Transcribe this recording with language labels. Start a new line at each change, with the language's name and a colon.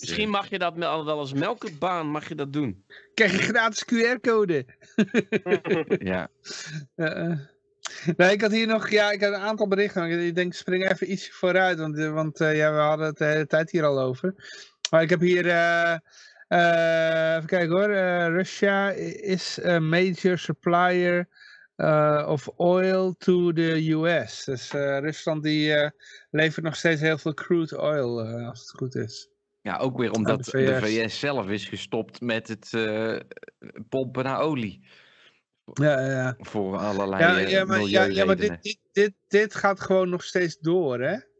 Dutch: Misschien mag je dat al wel als melkbaan, mag je dat doen. Krijg je gratis QR-code. Ja. Nee, ik had hier nog... Ja, ik had een aantal berichten. Ik denk, spring even iets vooruit. Want we hadden het de hele tijd hier al over. Maar ik heb hier... even kijken hoor,
English: Russia is a major supplier of oil to the US.
Dutch: Dus Rusland die levert nog steeds heel veel crude oil, als het goed is. Ja, ook weer omdat de VS zelf is gestopt met het pompen naar olie. Ja. Voor allerlei milieuredenen. Ja, maar dit gaat gewoon nog steeds door, hè?